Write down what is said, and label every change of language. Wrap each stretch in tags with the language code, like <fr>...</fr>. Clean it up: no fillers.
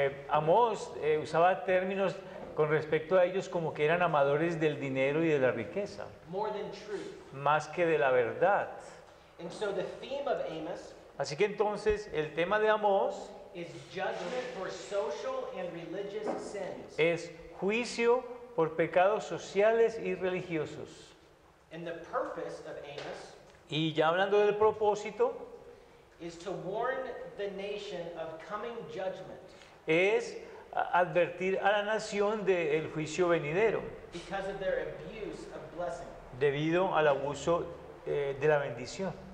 <es>Amos usaba términos con respecto a ellos como que eran amadores del dinero y de la riqueza.</es> <en>More than truth.</en> <es>Más que de la verdad.</es> <en>And so the theme of Amos,</en> <es>así que entonces el tema de Amos</es> <en>is judgment for social and religious sins.</en> <es>Es juicio por pecados sociales y religiosos.</es> <en>And the purpose of Amos,</en> <es>y ya hablando del propósito,</es> <en>is to warn the nation of coming judgment.</en> <es>Es advertir a la nación del juicio venidero.</es> <en>Because of their abuse of blessing.</en> <es>Debido al abuso de la bendición.</es>